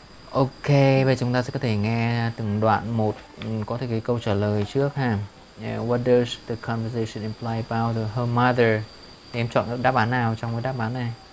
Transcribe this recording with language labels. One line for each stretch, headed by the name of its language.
Vietnamese: Ok, bây giờ chúng ta sẽ có thể nghe từng đoạn một, có thể cái câu trả lời trước ha.
English: What does the conversation imply about her mother?
Vietnamese: Em chọn đáp án nào trong cái đáp án này?